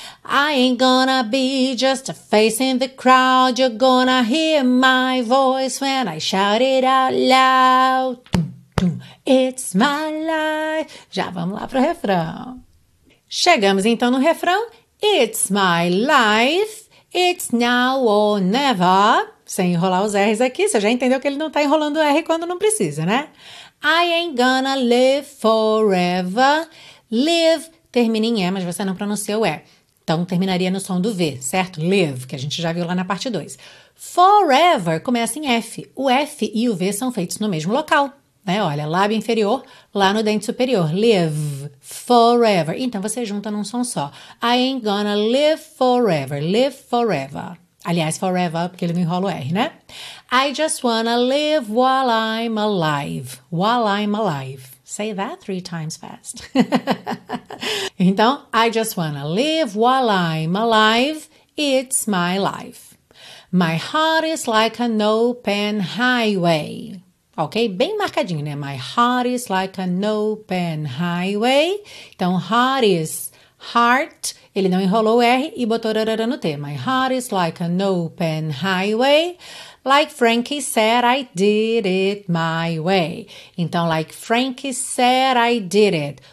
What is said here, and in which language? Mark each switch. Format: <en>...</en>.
<en>I ain't gonna be just a face in the crowd. You're gonna hear my voice when I shout it out loud. It's my life.</en> <pt>Já vamos lá pro refrão. Chegamos então no refrão.</pt> <en>It's my life. It's now or never.</en> <pt>Sem enrolar os R's aqui. Você já entendeu que ele não tá enrolando R quando não precisa, né?</pt> <en>I ain't gonna live forever.</en> <pt>Live termina em E, mas você não pronuncia o E. Então, terminaria no som do V, certo? Live, que a gente já viu lá na parte 2. Forever começa em F. O F e o V são feitos no mesmo local, né? Olha, lábio inferior, lá no dente superior. Live, forever. Então, você junta num som só.</pt> <en>I ain't gonna live forever. Live forever.</en> <pt>Aliás, forever, porque ele não enrola o R, né?</pt> <en>I just wanna live while I'm alive. While I'm alive. Say that three times fast. Então, I just wanna live while I'm alive. It's my life. My heart is like an open highway. Ok?</en> <pt>Bem marcadinho, né?</pt> <en>My heart is like an open highway. Então, heart is heart.</en> <pt>Ele não enrolou o R e botou rarara no T.</pt> <en>My heart is like an open highway. Like Frankie said, I did it my way. Então, like Frankie said, I did it.</en>